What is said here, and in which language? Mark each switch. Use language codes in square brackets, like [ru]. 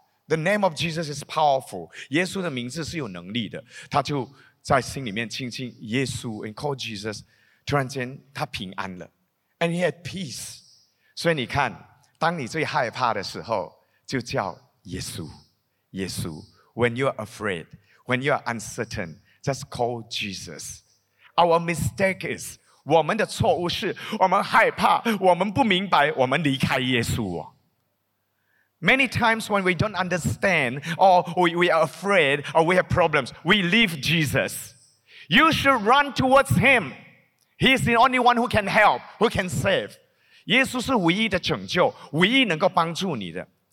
[en] The name of Jesus is powerful. [zh] 耶稣的名字是有能力的。他就在心里面轻轻耶稣， [en] and call Jesus. [zh] 突然间他平安了， [en] and he had peace. [zh] 所以你看， 当你最害怕的时候， 就叫耶稣。 [en] When you are afraid, when you are uncertain, just call Jesus. Our mistake is, [zh] 我们的错误是, 我们害怕, 我们不明白, 我们离开耶稣。 [en] Many times when we don't understand, or we are afraid, or we have problems, we leave Jesus. You should run towards Him. He is the only one who can help, who can save. [zh] 耶稣是唯一的拯救, 唯一能够帮助你的。